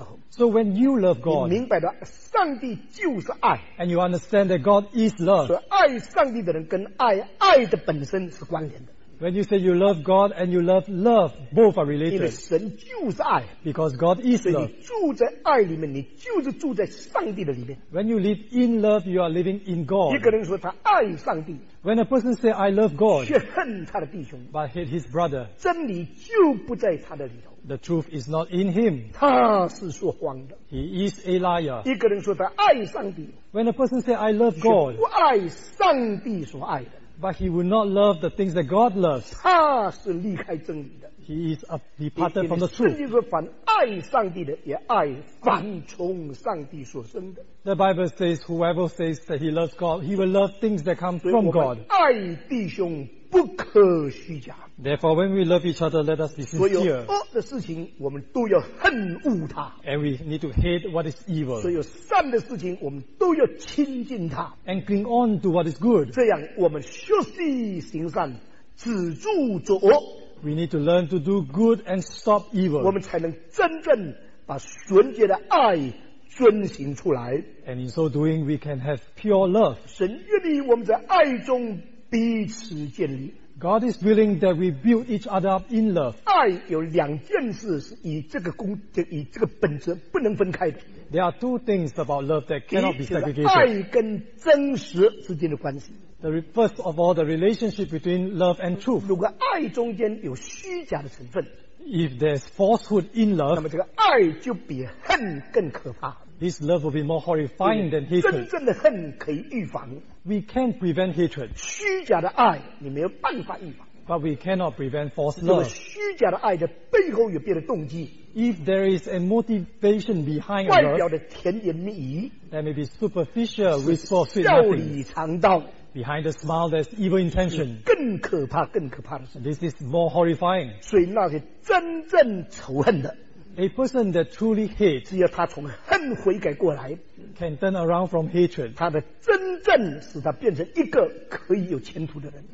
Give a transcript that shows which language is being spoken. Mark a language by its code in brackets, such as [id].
[en] So when you love God, and you understand that God is love, When you say you love God and you love love, both are related. [zh] 因为神就是爱, [en] because God is love. [zh] 所以你住在爱里面, 你就是住在上帝的里面。 [en] When you live in love, you are living in God. [zh] 一个人说他爱上帝, [en] when a person says I love God, [zh] 却恨他的弟兄, [en] but hate his brother, [zh] 真理就不在他的里头。 [en] The truth is not in him. [zh] 他是说谎的。 [en] He is a liar. [zh] 一个人说他爱上帝, [en] when a person says I love God, [zh] 却不爱上帝所爱的。 [en] But he will not love the things that God loves. [zh] 他是离开真理的。 [en] He is a departed from the truth. [zh] 圣经说凡爱上帝的，也爱凡从上帝所生的。 [en] The Bible says, whoever says that he loves God, he will love things that come from God. [zh] 所以我们爱弟兄不可虚假。 [en] Therefore, when we love each other, let us be sincere. [zh] 所有恶的事情，我们都要恨恶它。 [en] And we need to hate what is evil. [zh] 所有善的事情，我们都要亲近它。 [en] And cling on to what is good. [zh] 这样，我们学习行善，止住作恶。 [en] We need to learn to do good and stop evil. [zh] 我们才能真正把纯洁的爱遵行出来。 [en] And in so doing, we can have pure love. [zh] 神愿意我们在爱中彼此建立。 [en] God is willing that we build each other up in love. [zh] 爱有两件事是以这个公以这个本质不能分开的。 [en] There are two things about love that cannot be segregated. [zh] 爱跟真实之间的关系。 [en] The first of all, the relationship between love and truth. [zh] 如果爱中间有虚假的成分。 [en] If there's falsehood in love, [zh] 那么这个爱就比恨更可怕。 [en] This love will be more horrifying than hatred. [zh] 真正的恨可以预防。 [en] We can't prevent hatred. [zh] 虚假的爱你没有办法预防。 [en] But we cannot prevent false love. [zh] 虚假的爱的背后有别的动机。 [en] If there is a motivation behind love, [zh] 外表的甜言蜜语。 [en] That may be superficial, wistful, sweet nothing. [zh] 笑里藏刀。 [en] Behind the smile, there's evil intention. [zh] 更可怕，更可怕的是。 [en] This is more horrifying. [zh] 所以那些真正仇恨的。 [en] A person that truly hates, [zh] 只要他从恨悔改过来， [en] can turn around from hatred. [zh] 他的真正使他变成一个可以有前途的人。